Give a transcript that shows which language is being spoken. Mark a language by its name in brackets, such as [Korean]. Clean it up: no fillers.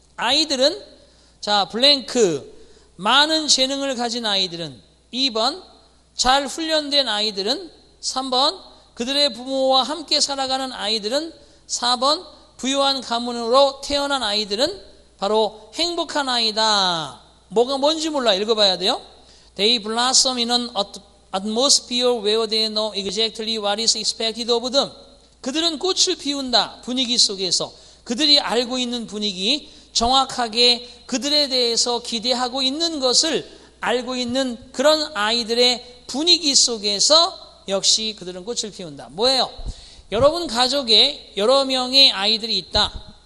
[Korean] 아이들은, 자, 블랭크, 많은 재능을 가진 아이들은, 2번, 잘 훈련된 아이들은, 3번, 그들의 부모와 함께 살아가는 아이들은, 4번, 부유한 가문으로 태어난 아이들은 바로 행복한 아이다. 뭐가 뭔지 몰라. 읽어봐야 돼요. [English] They blossom in an atmosphere where they know exactly what is expected of them. [Korean] 그들은 꽃을 피운다. 분위기 속에서. 그들이 알고 있는 분위기, 정확하게 그들에 대해서 기대하고 있는 것을 알고 있는 그런 아이들의 분위기 속에서 역시 그들은 꽃을 피운다. 뭐예요? 여러분 가족에 여러 명의 아이들이 있다.